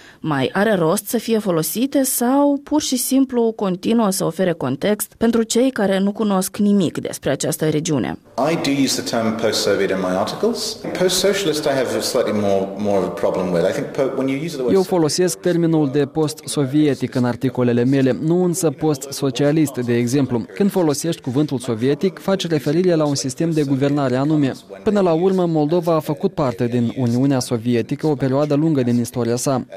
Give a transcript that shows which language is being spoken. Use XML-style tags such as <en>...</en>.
<ro>Mai are rost să fie folosite sau pur și simplu continuă să ofere context pentru cei care nu cunosc nimic despre această regiune?</ro> <en>I do use the term post-soviet in my articles. Post-socialist I have slightly more of a problem with. I think when you use the word...</en> <ro>Eu folosesc termenul de post-sovietic în articolele mele, nu însă post-socialist, de exemplu. Când folosești cuvântul sovietic, faci referire la un sistem de guvernare anume. Până la urmă, Moldova a făcut parte din Uniunea Sovietică o perioadă lungă din istoria sa.</ro>